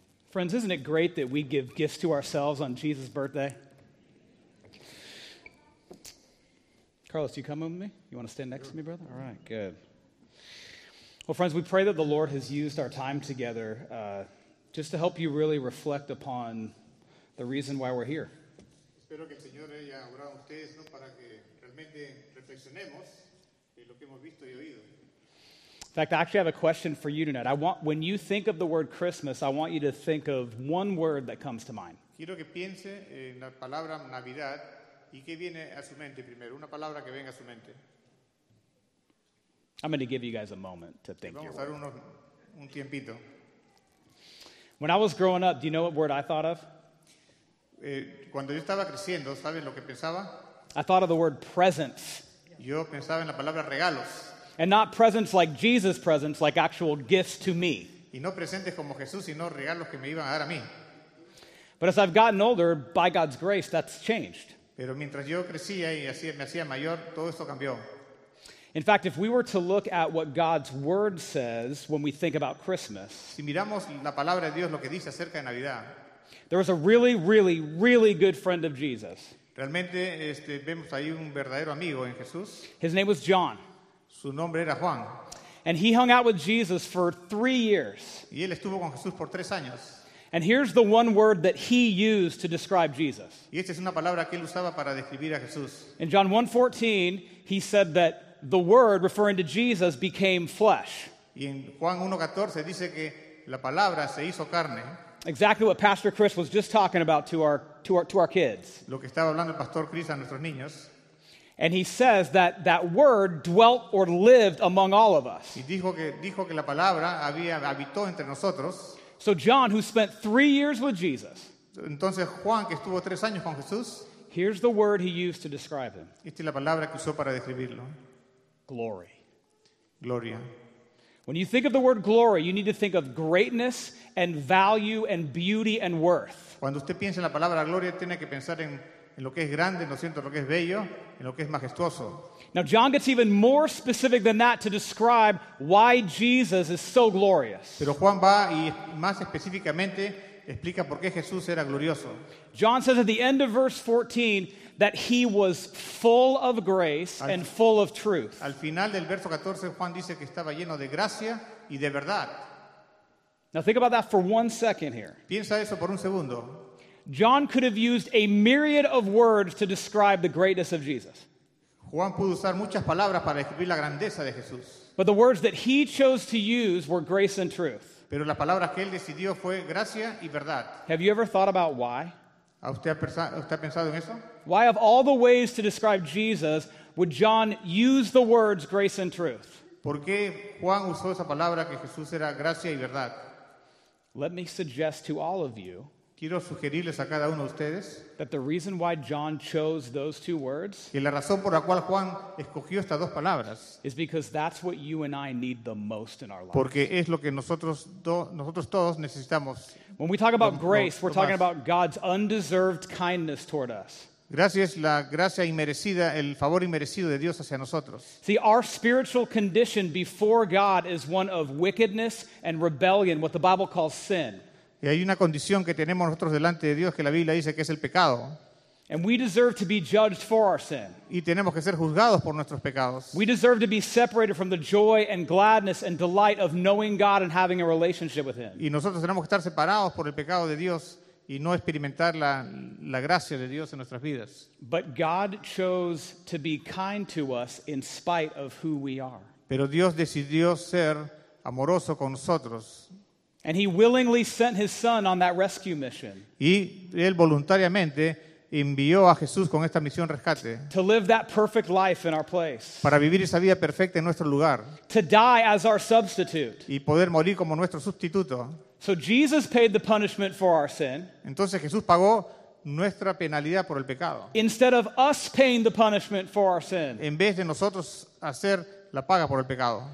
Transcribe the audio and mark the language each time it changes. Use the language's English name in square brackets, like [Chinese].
[English] Friends, isn't it great that we give gifts to ourselves on Jesus' birthday? Carlos, you coming with me? You want to stand next to me, brother? All right, good. Well, friends, we pray that the Lord has used our time together just to help you really reflect upon the reason why we're here. [Spanish] Espero que el Señor haya orado a ustedes, ¿no? Para que realmente reflexionemos de lo que hemos visto y oído. [English] In fact, I actually have a question for you tonight. I want, when you think of the word Christmas, I want you to think of one word that comes to mind. [Spanish] Quiero que piense en la palabra Navidad y qué viene a su mente primero, una palabra que venga a su mente. [English] I'm going to give you guys a moment to think. [Spanish] Vamos a dar un tiempito. [English] When I was growing up, do you know what word I thought of? [Spanish] Cuando yo estaba creciendo, ¿sabes lo que pensaba? [English] I thought of the word presents. [Spanish] Yo pensaba en la palabra regalos. [English] And not presents like Jesus' presents, like actual gifts to me. [Spanish] Y no presentes como Jesús, sino regalos que me iban a dar a mí. [English] But as I've gotten older, by God's grace, that's changed. [Spanish] Pero mientras yo crecía y así me hacía mayor, todo esto cambió. [English] In fact, if we were to look at what God's word says when we think about Christmas, [Spanish] si miramos la palabra de Dios, lo que dice acerca de Navidad, [English] there was a really, really, really good friend of Jesus. [Spanish] Realmente, vemos ahí un verdadero amigo en Jesús. [English] His name was John. [Spanish] Su nombre era Juan. [English] And he hung out with Jesus for 3 years. [Spanish] Y él estuvo con Jesús por 3 años. [English] And here's the one word that he used to describe Jesus. [Spanish] Y esta es una palabra que él usaba para describir a Jesús. [English] In John 1:14, he said that the word, referring to Jesus, became flesh. [Spanish] Y en Juan 1:14 dice que la palabra se hizo carne. [English] exactly what Pastor Chris was just talking about to our kids. [Spanish] Lo que estaba hablando el Pastor Chris a nuestros niños. [English] And he says that that word dwelt or lived among all of us. [Spanish] Y dijo que la palabra habitó entre nosotros. [English] So John, who spent 3 years with Jesus, [Spanish] entonces Juan, que estuvo 3 años con Jesús, [English] here's the word he used to describe him. [Spanish] Esta es la palabra que usó para describirlo. [English] Glory. [Spanish] Gloria. [English] When you think of the word glory, you need to think of greatness and value and beauty and worth. [Spanish] Cuando usted piensa en la palabra gloria, tiene que pensar en lo que es grande, en lo siento, lo que es bello, en lo que es majestuoso. [English] Now John gets even more specific than that to describe why Jesus is so glorious. [Spanish] Pero Juan va y más específicamente explica por qué Jesús era glorioso. [English] John says at the end of verse 14 that he was full of grace and full of truth. [Spanish] Al final del verso 14 Juan dice que estaba lleno de gracia y de verdad. [English] Now think about that for 1 second here. [Spanish] Piensa eso por un segundo. [English] John could have used a myriad of words to describe the greatness of Jesus. [Spanish] Juan pudo usar muchas palabras para describir la grandeza de Jesús. [English] But the words that he chose to use were grace and truth. [Spanish] Pero las palabras que él decidió fue gracia y verdad. [English] Have you ever thought about why? [Spanish] ¿Usted ha pensado en eso? [English] Why of all the ways to describe Jesus would John use the words grace and truth? [Spanish] ¿Por qué Juan usó esa palabra que Jesús era gracia y verdad? [English] Let me suggest to all of you [Spanish] quiero sugerirles a cada uno de ustedes [English] that the reason why John chose those two words [Spanish] que la razón por la cual Juan escogió estas dos palabras [English] is because that's what you and I need the most in our lives. [Spanish] Porque es lo que nosotros todos necesitamos. [English] When we talk about grace, we're talking about God's undeserved kindness toward us. [Spanish] Gracia es la gracia inmerecida, el favor inmerecido de Dios hacia nosotros. [English] See, our spiritual condition before God is one of wickedness and rebellion, what the Bible calls sin. [Spanish] Y hay una condición que tenemos nosotros delante de Dios que la Biblia dice que es el pecado. [English] And we deserve to be judged for our sin. [Spanish] Y tenemos que ser juzgados por nuestros pecados. [English] We deserve to be separated from the joy and gladness and delight of knowing God and having a relationship with Him. [Spanish] Y nosotros tenemos que estar separados por el pecado de Dios y no experimentar la gracia de Dios en nuestras vidas. [English] But God chose to be kind to us in spite of who we are. [Spanish] Pero Dios decidió ser amoroso con nosotros. [English] And he willingly sent his son on that rescue mission. [Spanish] Y él voluntariamente envió a Jesús con esta misión rescate. [English] To live that perfect life in our place. [Spanish] Para vivir esa vida perfecta en nuestro lugar. [English] To die as our substitute. [Spanish] Y poder morir como nuestro sustituto. [English] So Jesus paid the punishment for our sin. [Spanish] Entonces Jesús pagó nuestra penalidad por el pecado. [English] Instead of us paying the punishment for our sin. [Spanish] En vez de nosotros hacer la paga por el pecado.